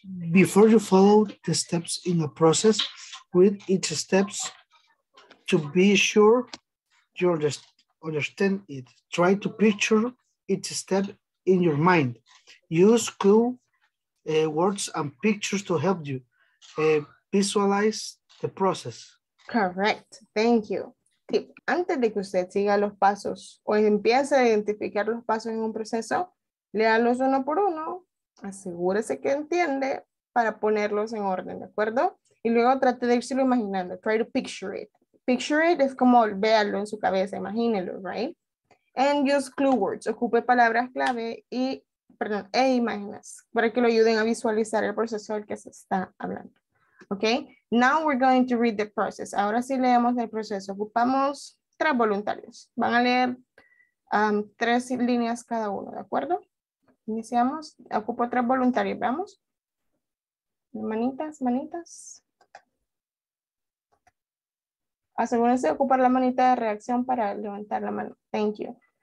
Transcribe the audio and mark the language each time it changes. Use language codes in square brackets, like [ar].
[en] Before you follow the steps in the process, read each steps to be sure you understand it. Try to picture each step in your mind. Use clue words and pictures to help you visualize the process. Correct. Thank you. Tip. [es] Antes de que usted siga los pasos o empiece a identificar los pasos en un proceso, léalos uno por uno, asegúrese que entiende para ponerlos en orden, ¿de acuerdo? Y luego trate de irse lo imaginando. [en] Try to picture it. [es] Picture it es como véalo en su cabeza, imagínelo, right? [en] And use clue words. [es] Ocupe palabras clave y, perdón, e imágenes para que lo ayuden a visualizar el proceso del que se está hablando. [en] Okay, now we're going to read the process. [es] Ahora sí leemos el proceso. Ocupamos tres voluntarios. Van a leer tres líneas cada uno, ¿de acuerdo? Iniciamos. Ocupo tres voluntarios. Vamos. Manitas, manitas. Asegúrense de ocupar la manita de reacción para levantar la mano. [en] Thank you.